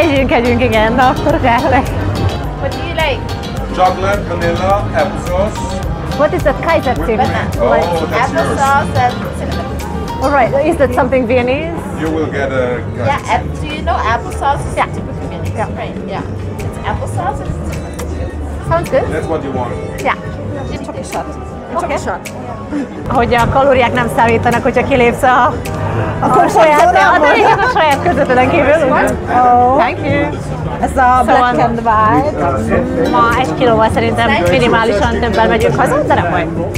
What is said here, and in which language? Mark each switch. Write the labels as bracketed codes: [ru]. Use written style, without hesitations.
[hu] Együnk, igen, na akkor kérlek. [en] What do you like? Chocolate, vanilla, applesauce. What is that Kaiser thing? Applesauce and all right, is that something Viennese? You will get a... Do you know applesauce is typically Viennese? Yeah. Right, yeah. It's applesauce, it's typically. Sounds good. That's what you want. Yeah. Chocolate shot. [hu] Hogy a kalóriák nem számítanak, hogyha kilépsz a saját közöttelen kívül. [en] Thank you. [hu] Ez a [en] black and white. [hu] Ma egy kilóval szerintem minimálisan többen megyünk haza, de nem majd.